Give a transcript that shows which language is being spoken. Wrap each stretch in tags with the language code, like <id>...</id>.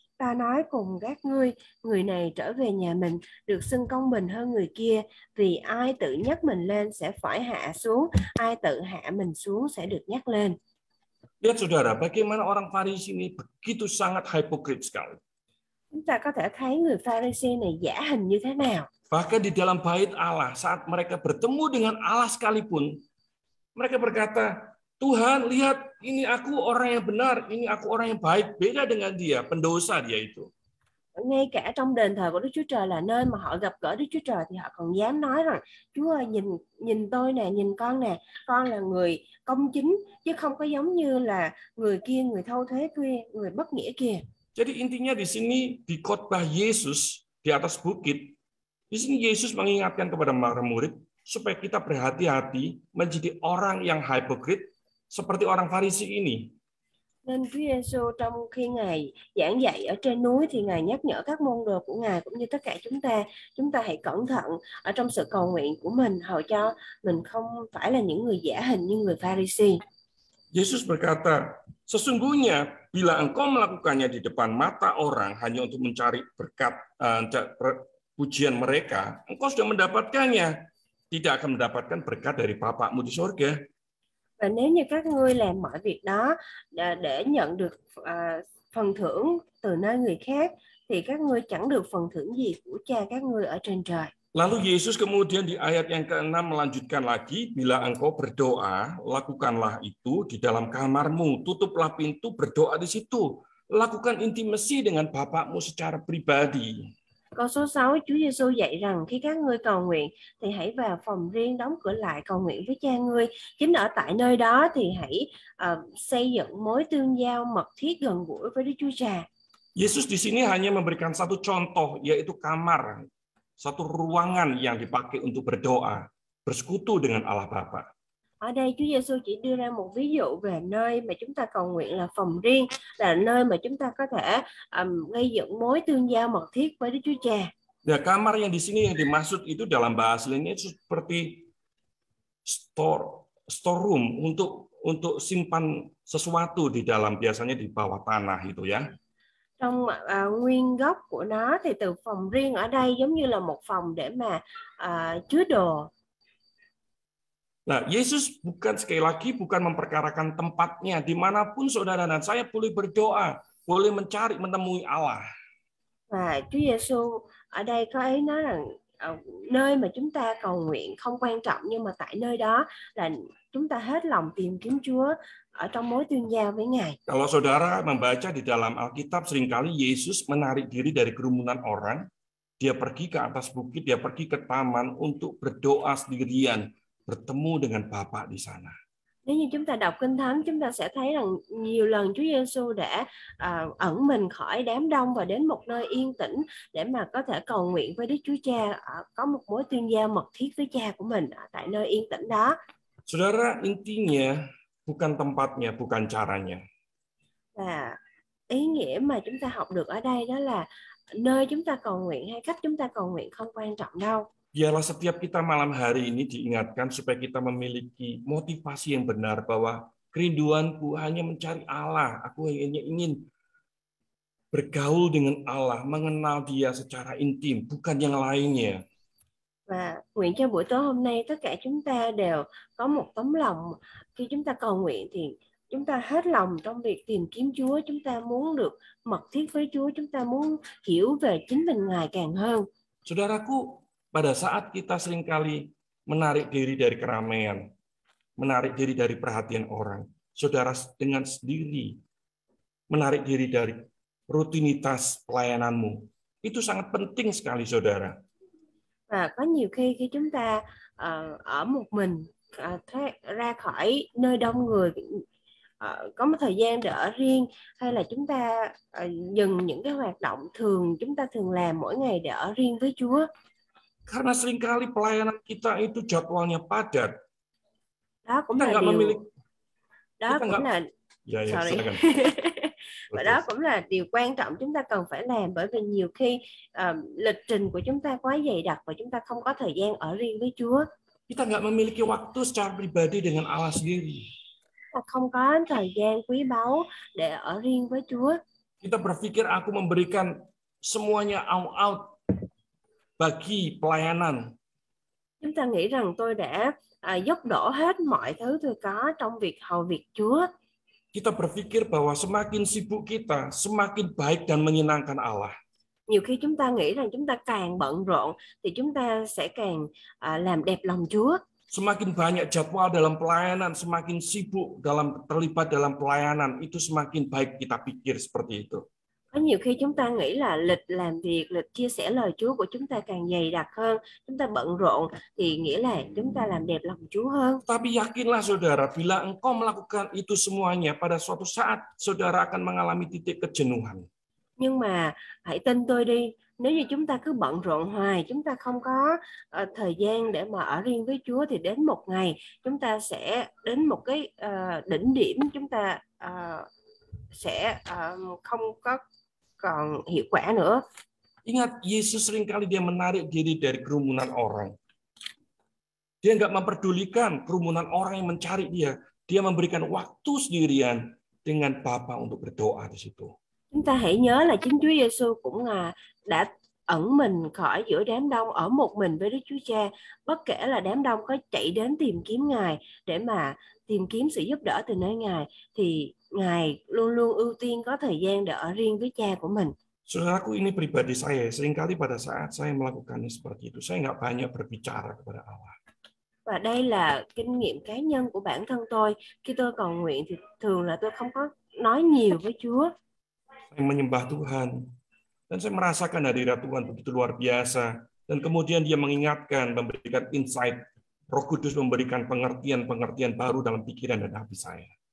<vi>Ta nói cùng các ngươi, người này trở về nhà mình được xưng công bình hơn người kia, vì ai tự nhấc mình lên sẽ phải hạ xuống, ai tự hạ mình xuống sẽ được nhấc lên.</vi> <id>Lihat saudara, bagaimana orang Farisi ini begitu sangat hipokrit sekali.</id> <vi>Chúng ta có thể thấy người Farisi này giả hình như thế nào.</vi> <id>Bahkan di dalam bait Allah, saat mereka bertemu dengan Allah sekalipun, mereka berkata, Tuhan, lihat, ini aku orang yang benar, ini aku orang yang baik, beda dengan dia, pendosa dia itu.</id> <vi>Ngay cả trong đền thờ của Đức Chúa Trời là nơi mà họ gặp gỡ Đức Chúa Trời thì họ còn dám nói rằng: Chúa ơi, nhìn tôi nè, nhìn con nè, con là người công chính chứ không có giống như là người kia, người thâu thuế kia, người bất nghĩa kia.</vi> <id>Jadi intinya di sini di khotbah Yesus di atas bukit, di sini Yesus mengingatkan kepada para murid supaya kita berhati-hati menjadi orang yang hipokrit seperti orang Farisi ini.</id> <vi>Nên Chúa Giêsu trong khi Ngài giảng dạy ở trên núi thì Ngài nhắc nhở các môn đồ của Ngài cũng như tất cả chúng ta hãy cẩn thận ở trong sự cầu nguyện của mình, hầu cho mình không phải là những người giả hình như người Pharisee.</vi> <id>Yesus berkata, sesungguhnya bila engkau melakukannya di depan mata orang hanya untuk mencari berkat pujian mereka, engkau sudah mendapatkannya, tidak akan mendapatkan berkat dari Bapa-Mu di surga.</id> <vi>Và nếu như các ngươi làm mọi việc đó để nhận được phần thưởng từ nơi người khác thì các ngươi chẳng được phần thưởng gì của Cha các ngươi ở trên trời.</vi> <id>Lalu Yesus kemudian di ayat yang ke-6 melanjutkan lagi, bila engkau berdoa, lakukanlah itu di dalam kamarmu, tutuplah pintu, berdoa di situ. Lakukan intimasi dengan Bapa-Mu secara pribadi.</id> <vi>Câu số 6, Chúa Giê-xu dạy rằng khi các ngươi cầu nguyện, thì hãy vào phòng riêng, đóng cửa lại, cầu nguyện với Cha ngươi. Chính ở tại nơi đó thì hãy xây dựng mối tương giao mật thiết gần gũi với Đức Chúa Cha.</vi> <id>Yesus di sini hanya memberikan satu contoh, yaitu kamar, satu ruangan yang dipakai untuk berdoa, bersekutu dengan Allah Bapa.</id> <vi>Ở đây Chúa Giê-xu chỉ đưa ra một ví dụ về nơi mà chúng ta cầu nguyện là phòng riêng, là nơi mà chúng ta có thể gây dựng mối tương giao mật thiết với Đức Chúa Cha.</vi> <id>Ya, kamar yang di sini yang dimaksud itu dalam bahasa lainnya itu seperti storeroom untuk simpan sesuatu di dalam, biasanya di bawah tanah itu ya.</id> <vi>Trong nguyên gốc của nó thì từ phòng riêng ở đây giống như là một phòng để mà chứa đồ.</vi> <id>Nah, Yesus bukan sekali lagi bukan memperkarakan tempatnya, dimanapun saudara dan saya boleh berdoa, boleh mencari menemui Allah.</id> <vi>Nah, Chúa Giê-xu ở đây có ý nói rằng nơi mà chúng ta cầu nguyện không quan trọng, nhưng mà tại nơi đó là chúng ta hết lòng tìm kiếm Chúa ở trong mối tương giao với Ngài.</vi> <id>Kalau saudara membaca di dalam Alkitab, seringkali Yesus menarik diri dari kerumunan orang, dia pergi ke atas bukit, dia pergi ke taman untuk berdoa sendirian, bertemu dengan Bapa di sana.</id> <vi>Nếu như chúng ta đọc Kinh Thánh, chúng ta sẽ thấy rằng nhiều lần Chúa Giê-xu đã ẩn mình khỏi đám đông và đến một nơi yên tĩnh để mà có thể cầu nguyện với Đức Chúa Cha, có một mối tương giao mật thiết với Cha của mình tại nơi yên tĩnh đó.</vi> <id>Saudara, intinya bukan tempatnya, bukan caranya.</id> <vi>Và ý nghĩa mà chúng ta học được ở đây đó là nơi chúng ta cầu nguyện hay cách chúng ta cầu nguyện không quan trọng đâu.</vi> <id>Biarlah setiap kita malam hari ini diingatkan supaya kita memiliki motivasi yang benar bahwa kerinduanku hanya mencari Allah. Aku hanya ingin bergaul dengan Allah, mengenal Dia secara intim, bukan yang lainnya.</id> <vi>Và nguyện cho buổi tối hôm nay tất cả chúng ta đều có một tấm lòng khi chúng ta cầu nguyện thì chúng ta hết lòng trong việc tìm kiếm Chúa, chúng ta muốn được mật thiết với Chúa, chúng ta muốn hiểu về chính mình Ngài càng hơn.</vi> <id>Saudaraku, pada saat kita seringkali menarik diri dari keramaian, menarik diri dari perhatian orang, saudara dengan sendiri menarik diri dari rutinitas pelayananmu, itu sangat penting sekali, saudara.</id> <vi>Và có nhiều khi chúng ta ở một mình, ra khỏi nơi đông người, có một thời gian để ở riêng, hay là chúng ta dừng những cái hoạt động thường chúng ta thường làm mỗi ngày để ở riêng với Chúa.</vi> <id>Karena seringkali pelayanan kita itu jadwalnya padat.</id> <vi>Đó cũng</vi> <id>kita nggak memiliki.</id> <vi>Đó cũng là.</vi> <en>Sorry.</en> <vi>Và đó cũng là điều quan trọng chúng ta cần phải làm, bởi vì nhiều khi lịch trình của chúng ta quá dày đặc và chúng ta không có thời gian ở riêng với Chúa.</vi> <id>Kita nggak memiliki waktu secara pribadi dengan Allah sendiri.</id> <vi>Ta không có thời gian quý báu để ở riêng với Chúa.</vi> <id>Kita berpikir aku memberikan semuanya</id> <en>out</en> <id>bagi pelayanan.</id> <vi>Chúng ta nghĩ rằng tôi đã dốc đổ hết mọi thứ tôi có trong việc hầu việc Chúa.</vi> <id>Kita berpikir bahwa semakin sibuk kita, semakin baik dan menyenangkan Allah.</id> <vi>Nhiều khi chúng ta nghĩ rằng chúng ta càng bận rộn thì chúng ta sẽ càng làm đẹp lòng Chúa.</vi> <id>Semakin banyak jadwal dalam pelayanan, semakin sibuk dalam terlibat dalam pelayanan, itu semakin baik kita pikir seperti itu.</id> <vi>Có nhiều khi chúng ta nghĩ là lịch làm việc, lịch chia sẻ lời Chúa của chúng ta càng dày đặc hơn, chúng ta bận rộn thì nghĩa là chúng ta làm đẹp lòng Chúa hơn.</vi> <id>Tapi yakinlah saudara, bila engkau melakukan itu semuanya, pada suatu saat saudara akan mengalami titik kejenuhan.</id> <vi>Nhưng mà hãy tin tôi đi, nếu như chúng ta cứ bận rộn hoài, chúng ta không có thời gian để mà ở riêng với Chúa, thì đến một ngày chúng ta sẽ đến một cái đỉnh điểm, chúng ta sẽ không có còn hiệu quả nữa.</vi> <id>Ingat, Yesus seringkali dia menarik diri dari kerumunan orang. Dia enggak memperdulikan kerumunan orang yang mencari dia. Dia memberikan waktu sendirian dengan Bapa untuk berdoa di situ.</id> <vi>Chúng ta hãy nhớ là chính Chúa Giêsu cũng là đã ẩn mình khỏi giữa đám đông ở một mình với Đức Chúa Cha, bất kể là đám đông có chạy đến tìm kiếm Ngài để mà tìm kiếm sự giúp đỡ từ nơi Ngài, thì Ngài luôn luôn ưu tiên có thời gian để ở riêng với Cha của mình.</vi> <id>Saudaraku, ini pribadi saya, seringkali pada saat saya melakukannya seperti itu, saya nggak banyak berbicara kepada Allah.</id> <vi>Và đây là kinh nghiệm cá nhân của bản thân tôi. Khi tôi cầu nguyện thì thường là tôi không có nói nhiều với Chúa.</vi> <id>Saya menyembah Tuhan. Dan saya merasakan hadirat Tuhan begitu luar biasa. Dan kemudian dia mengingatkan, memberikan insight. Roh Kudus memberikan pengertian-pengertian baru dalam pikiran dan hati saya.</id>